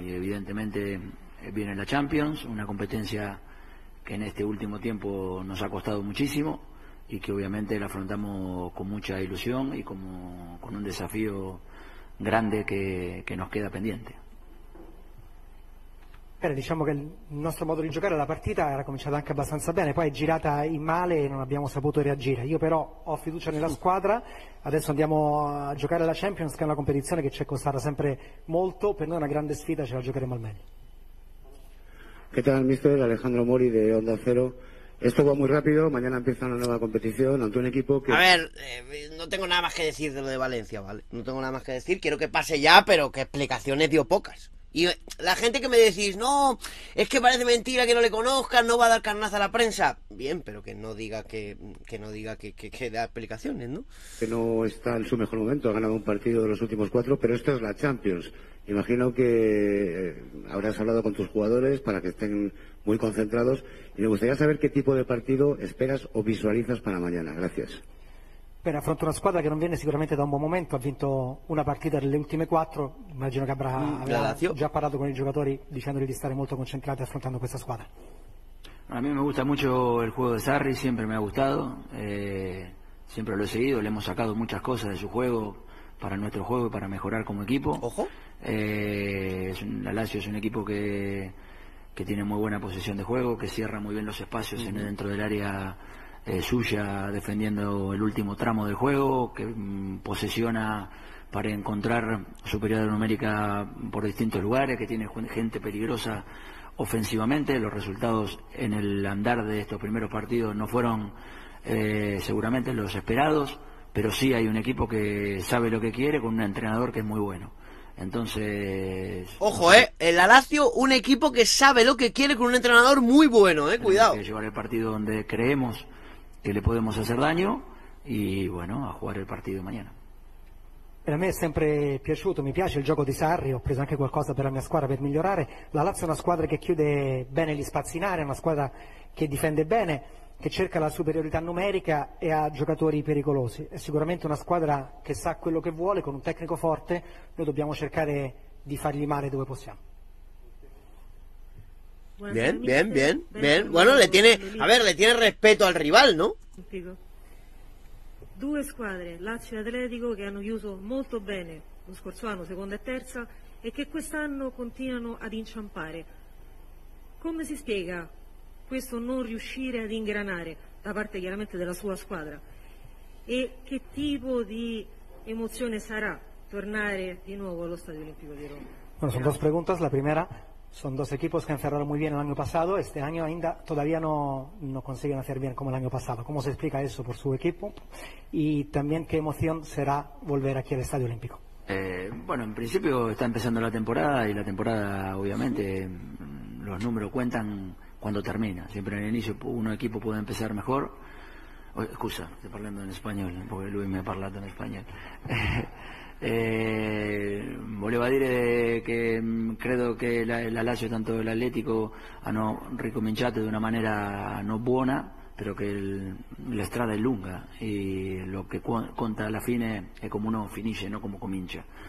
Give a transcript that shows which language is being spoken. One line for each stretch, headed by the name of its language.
Spanish: Y evidentemente viene la Champions, una competencia que en este último tiempo nos ha costado muchísimo y que obviamente la afrontamos con mucha ilusión y con un desafío grande que nos queda pendiente.
Italian: Bene, diciamo che il nostro modo di giocare la partita era cominciata anche abbastanza bene, poi è girata in male e non abbiamo saputo reagire. Io però ho fiducia nella squadra, adesso andiamo a giocare la Champions, che è una competizione che ci è costata sempre molto, per noi è una grande sfida, ce la giocheremo al meglio.
Spanish: ¿Qué tal, mister? Alejandro Mori de Onda Cero. Esto va muy rápido, mañana empieza una nueva competición ante un equipo que... A ver, no tengo nada más que decir de lo de Valencia, ¿vale? No tengo nada más que decir, quiero que pase ya, pero que explicaciones dio pocas. Y la gente que me decís, no, es que parece mentira que no le conozcan, no va a dar carnaza a la prensa. Bien, pero que no diga que da explicaciones, ¿no? Que no está en su mejor momento, ha ganado un partido de los últimos 4, pero esta es la Champions. Imagino que habrás hablado con tus jugadores para que estén muy concentrados y me gustaría saber qué tipo de partido esperas o visualizas para mañana. Gracias.
Italian: Bene, affronta una squadra che non viene sicuramente da un buon momento, ha vinto una partita delle ultime 4, immagino che avrà già parlato con i giocatori dicendogli di stare molto concentrati affrontando questa squadra. A me mi gusta molto il gioco di Sarri, sempre mi ha gustato, sempre lo he seguito,
Spanish: le hemos sacado muchas cosas de su juego para nuestro juego y para mejorar como equipo. Ojo. La Lazio es un equipo que tiene muy buena posición de juego, que cierra muy bien los espacios dentro del área suya, defendiendo el último tramo del juego, que posesiona para encontrar superioridad numérica por distintos lugares, que tiene gente peligrosa ofensivamente. Los resultados en el andar de estos primeros partidos no fueron seguramente los esperados, pero sí hay un equipo que sabe lo que quiere con un entrenador que es muy bueno. Entonces, ojo, el Lazio, un equipo que sabe lo que quiere con un entrenador muy bueno, cuidado. Que llevar el partido donde creemos que le podemos hacer daño y bueno, a jugar el partido mañana.
Italian: A me è sempre piaciuto, mi piace il gioco di Sarri, ho preso anche qualcosa per la mia squadra per migliorare. La Lazio è una squadra che chiude bene gli spazi in area, una squadra che difende bene, che cerca la superiorità numerica e ha giocatori pericolosi. È sicuramente una squadra che sa quello che vuole, con un tecnico forte, noi dobbiamo cercare di fargli male dove possiamo.
Spanish: Bien, bien, bien, bien. Bueno, le tiene, a ver, le tiene respeto al rival, ¿no?
Italian: Due squadre, Lazio e Atletico, che hanno chiuso molto bene lo scorso anno, seconda e terza, e che quest'anno continuano ad inciampare. Come si spiega questo non riuscire ad ingranare da parte chiaramente della sua squadra? E che tipo di emozione sarà tornare di nuovo allo Stadio Olimpico di Roma?
Spanish: Bueno, son dos preguntas. La primera, son dos equipos que han cerrado muy bien el año pasado. Este año ainda todavía no consiguen hacer bien como el año pasado. ¿Cómo se explica eso por su equipo? Y también, ¿qué emoción será volver aquí al Estadio Olímpico? Bueno, en principio está empezando la temporada y la temporada, obviamente, los números cuentan cuando termina. Siempre en el inicio un equipo puede empezar mejor. Oh, excusa, estoy hablando en español, porque Luis me ha hablado en español.
Italian: Volevo a dire che credo che la Lazio, tanto l'Atletico, hanno ricominciato in una maniera non buona, però che la strada è lunga e lo che conta alla fine è come uno finisce, non come comincia.